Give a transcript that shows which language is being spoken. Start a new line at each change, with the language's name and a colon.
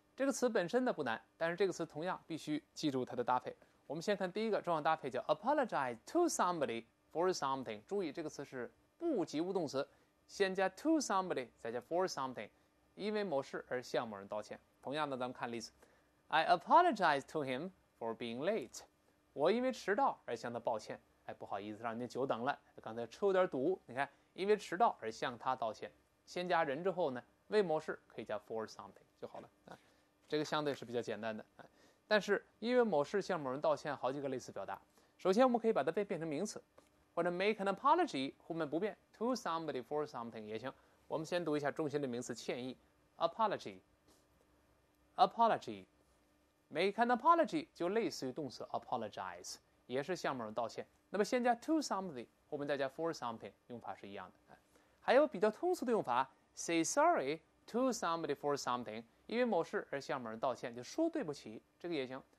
Chinese: 这个词本身的不难，但是这个词同样必须记住它的搭配。我们先看第一个重要搭配，叫 apologize to somebody for something，注意这个词是不及物动词，先加 to somebody 再加 for something，因为某事而向某人道歉。同样的，咱们看例子，
English: I apologize to him for being late.
Chinese: 我因为迟到而向他抱歉。哎，不好意思，让您久等了。刚才吃有点堵，你看，因为迟到而向他道歉。先加人之后呢，谓模式可以加 for something 就好了。这个相对是比较简单的。但是因为某事向某人道歉好几个类似表达。首先我们可以把它变成名词。或者 make an apology, 后面不变 to somebody for something 也行。我们先读一下中心的名词歉意。Apology。 Apology。 Make an apology 就类似于动词 apologize, 也是向某人道歉。那么先加 to somebody, 后面再加 for something, 用法是一样的。还有比较通俗的用法 say sorry to somebody for something, 因为某事而向某人道歉就说对不起这个也行。